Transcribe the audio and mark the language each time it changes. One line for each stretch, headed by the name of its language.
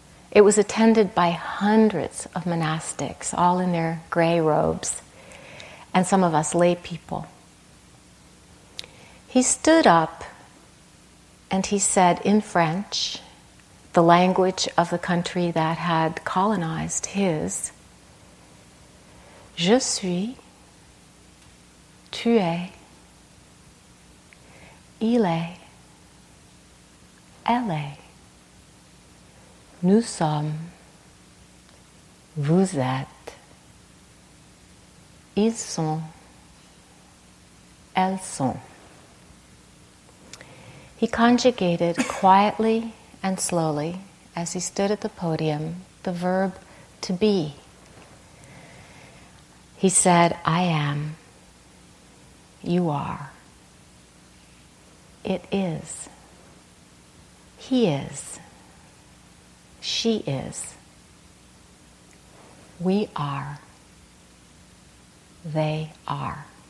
English: It was attended by hundreds of monastics, all in their gray robes, and some of us lay people. He stood up and he said in French, the language of the country that had colonized his.
French: Je suis, tu es, il est, elle est, nous sommes, vous êtes, ils sont, elles sont.
English: He conjugated quietly and slowly, as he stood at the podium, the verb to be. He said, I am, you are, it is, he is, she is, we are, they are.